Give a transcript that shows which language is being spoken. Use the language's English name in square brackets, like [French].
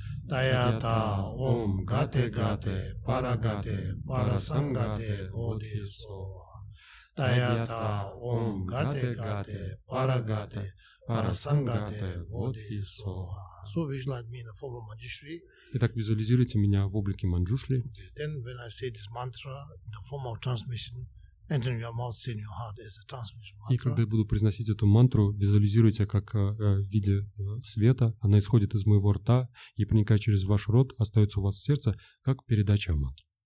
[Sanskrit] Таята, ом гаде гаде, парагаде, парасангаде, бодхисоха. Таята ом гате гате парагате парасангате бодхисоха. [English] So visualize me in the form of Manjushri. [Russian] Итак, визуализируйте меня в облике Манджушри. [English] Then when I say this mantra in the form of transmission, entering your mouth, seeing your heart as a transmission mantra. [Russian] И когда я буду произносить эту мантру, визуализируйте, как в виде света она исходит из моего рта и проникает через ваш рот, остается у вас в сердце, как передача мантры.